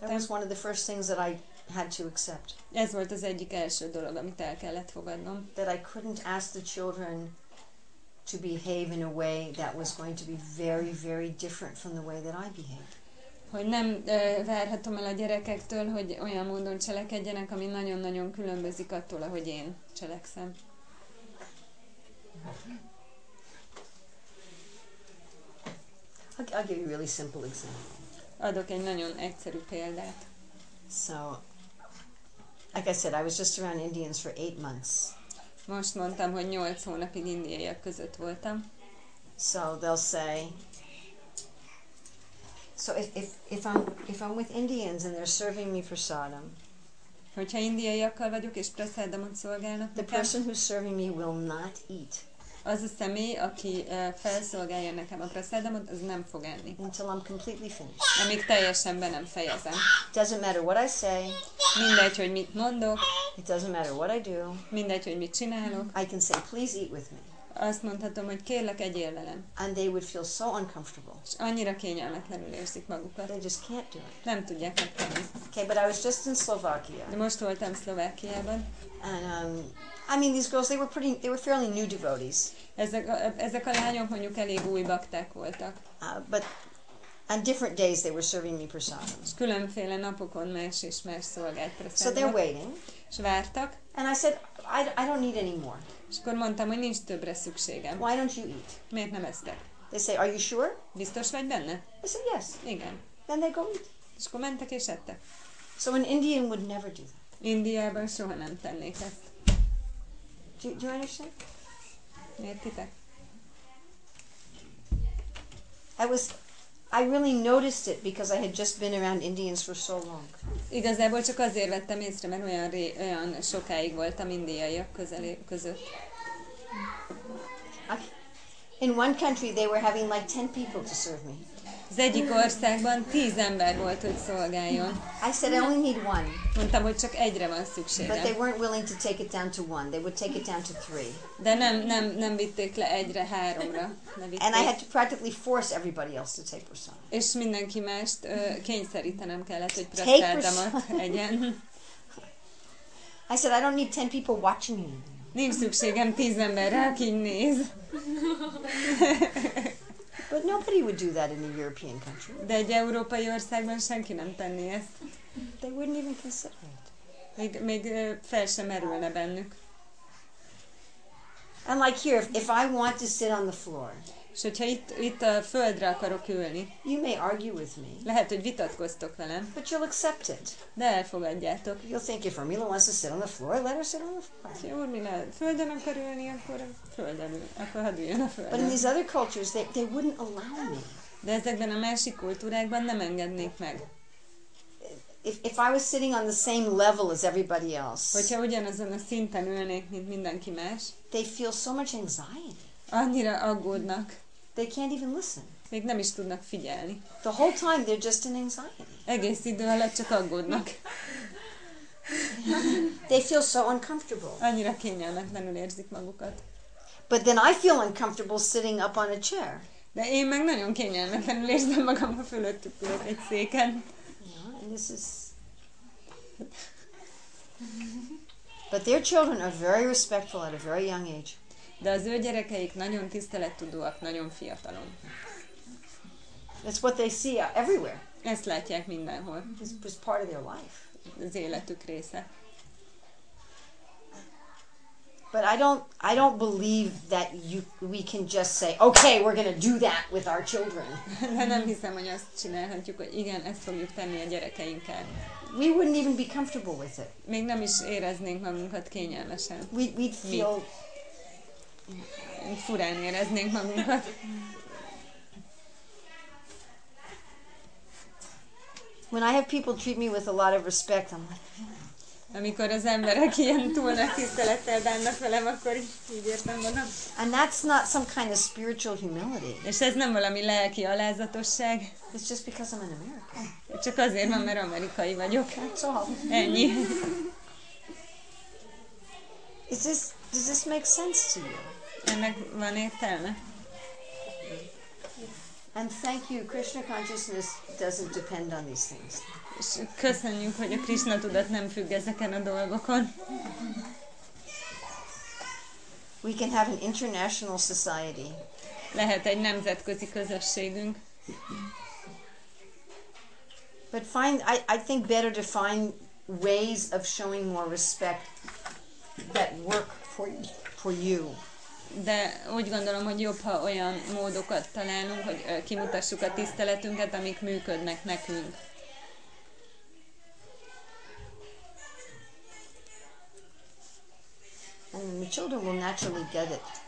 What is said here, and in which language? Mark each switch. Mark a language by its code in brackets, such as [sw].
[en] that was one of the first things that I had to accept. [hu] Ez volt az egyik első dolog, amit el kellett fogadnom. [en] That I couldn't ask the children to behave in a way that was going to be very, very different from the way that I behaved. [hu] Hogy nem várhatom el a gyerekektől, hogy olyan módon cselekedjenek, ami nagyon-nagyon különbözik attól, ahogy én cselekszem. [en] I'll give you a really simple example. [hu] Adok egy nagyon egyszerű példát. [en] So, like I said, I was just around Indians for 8 months. [hu] Most mondtam, hogy 8 hónapig indiaiak között voltam. [en] So they'll say, so if I'm with Indians and they're serving me prasadam, [hu] hogyha indiaiakkal vagyok és prasadamot szolgálnak, [en] the person who's serving me will not eat. [hu] Az a személy, aki felszolgálja nekem a prasadamot, az nem fog enni. [en] Until I'm completely finished. [hu] Amíg teljesen be nem fejezem. [en] Doesn't matter what I say. [hu] Mindegy, hogy mit mondok. [en] It doesn't matter what I do. [hu] Mindegy, hogy mit csinálok. [en] I can say, please eat with me. [hu] Azt mondhatom, hogy kérlek, egyél velem. [en] And they would feel so uncomfortable. [hu] És annyira kényelmetlenül érzik magukat. [en] They just can't do it. [hu] Nem tudják megtenni. [en] Okay, but I was just in Slovakia. [hu] De most voltam Szlovákiában. [en] And I mean, these girls, they were fairly new devotees. [hu] Ezek a lányok mondjuk elég új bakták voltak. [en] But on different days they were serving me prasadam. [hu] Különféle napokon más és más szolgált prasadam. [en] So they're waiting. [hu] És vártak. [en] And I said, I don't need any more. [hu] És akkor mondtam, hogy nincs többre szükségem. [en] Why don't you eat? [hu] Miért nem esztek? [en] They say, are you sure? [hu] Biztos vagy benne? [en] I said, yes. [hu] Igen. [en] Then they go eat. [hu] És akkor mentek és ettek. [en] So an Indian would never do that. [hu] Indiában soha nem tennék ezt. [en] Do you understand? [hu] Értitek? [en] I really noticed it because I had just been around Indians for so long. [hu] Igazából csak azért vettem észre, mert olyan sokáig voltam indiaiak között. [en] In one country they were having like 10 people to serve me. [hu] Az egyik országban 10 ember volt, hogy szolgáljon. [en] I said, I only need one. [hu] Mondtam, hogy csak egyre van szükségem. [en] But they weren't willing to take it down to one. They would take it down to three. [hu] De nem vitték le egyre háromra. [en] And I had to practically force everybody else to take prasadam. [hu] És mindenki mást kényszerítenem kellett, hogy prasadamot egyen. [en] I said, I don't need 10 people watching me. [hu] Nincs szükségem 10 emberre, aki néz. [en] But nobody would do that in a European country. [hu] De egy európai országban senki nem tenné ezt. [en] They wouldn't even consider it. [hu] Még fel sem merülne bennük. [en] And like here, if I want to sit on the floor. [hu] És hogyha itt a földre akarok ülni. [en] You may argue with me. [hu] Lehet, hogy vitatkoztok velem. [en] But you'll accept it. [hu] De elfogadjátok. [en] You'll think if Romila wants to sit on the floor, let her sit on the floor. [hu] Ha Romila földön akar ülni, akkor a földön ül. Akkor hadd üljön a földön. [en] But in these other cultures, they wouldn't allow me. [hu] De ezekben a másik kultúrákban nem engednék meg. [en] If I was sitting on the same level as everybody else. [hu] Hogyha ugyanazon a szinten ülnék, mint mindenki más. [en] They feel so much anxiety. [hu] Annyira aggódnak. [en] They can't even listen. [hu] Még nem is tudnak figyelni. [en] The whole time they're just in anxiety. [hu] Egész idő alatt csak aggódnak. [en] They feel so uncomfortable. [hu] Annyira kényelmetlenül érzik magukat. [en] But then I feel uncomfortable sitting up on a chair. [hu] De én meg nagyon kényelmetlenül érzem magam, ha fölöttük ülök egy széken. [en] Yeah, this is... But their children are very respectful at a very young age. [hu] De az ő gyerekeik nagyon tisztelettudóak, nagyon fiatalon. [en] That's what they see everywhere. [hu] Ezt látják mindenhol. [en] It's part of their life. [hu] Az életük része. [en] But I don't believe that we can just say, okay, we're going to do that with our children. [hu] De nem hiszem, hogy azt csinálhatjuk, hogy igen, ezt fogjuk tenni a gyerekeinkkel. [en] We wouldn't even be comfortable with it. [hu] Még nem is éreznénk magunkat kényelmesen. [en] We'd feel... [hu] furán éreznénk magunkat. [en] When I have people treat me with a lot of respect, I'm like... [hu] Amikor az emberek ilyen túl nagy tisztelettel bánnak velem, akkor így értem magam. [en] And that's not some kind of spiritual humility. [hu] És ez nem valami lelki alázatosság. [en] It's just because I'm an American. [hu] Csak azért van, mert amerikai vagyok. [en] That's all. [hu] Ennyi. [en] Does this make sense to you? [hu] Ennek van értelme? [en] And thank you, Krishna consciousness doesn't depend on these things. [hu] És köszönjük, hogy a Krishna tudat nem függ ezeken a dolgokon. [en] We can have an international society. [hu] Lehet egy nemzetközi közösségünk. [en] But I think better to find ways of showing more respect that work for you. [hu] De úgy gondolom, hogy jobb, ha olyan módokat találunk, hogy kimutassuk a tiszteletünket, amik működnek nekünk. [en] And the children will naturally get it.